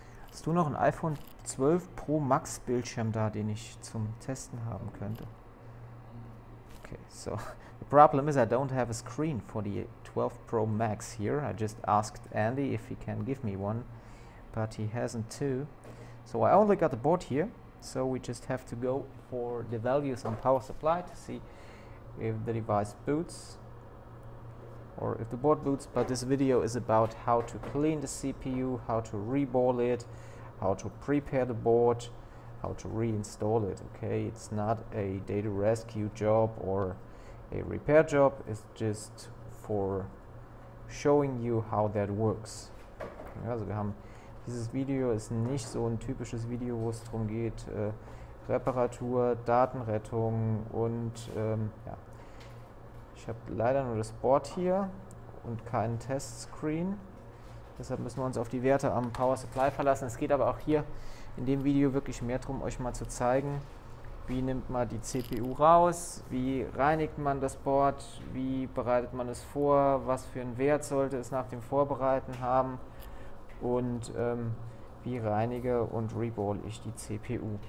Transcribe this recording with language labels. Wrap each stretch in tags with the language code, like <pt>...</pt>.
<de>Hast du noch ein iPhone 12 Pro Max Bildschirm da, den ich zum Testen haben könnte?</de> <en>Okay, so. The problem is I don't have a screen for the 12 Pro Max here. I just asked Andy if he can give me one, but he hasn't too. So I only got the board here, so we just have to go for the values on power supply to see if the device boots or if the board boots. But this video is about how to clean the CPU, how to reball it, how to prepare the board, how to reinstall it, okay? It's not a data rescue job or a repair job, is just for showing you how that works.</en> <de>Also wir haben, dieses Video ist nicht so ein typisches Video, wo es darum geht, Reparatur, Datenrettung und ja. Ich habe leider nur das Board hier und keinen Testscreen. Deshalb müssen wir uns auf die Werte am Power Supply verlassen. Es geht aber auch hier in dem Video wirklich mehr darum, euch mal zu zeigen, wie nimmt man die CPU raus, wie reinigt man das Board, wie bereitet man es vor, was für einen Wert sollte es nach dem Vorbereiten haben und wie reinige und reball ich die CPU.</de>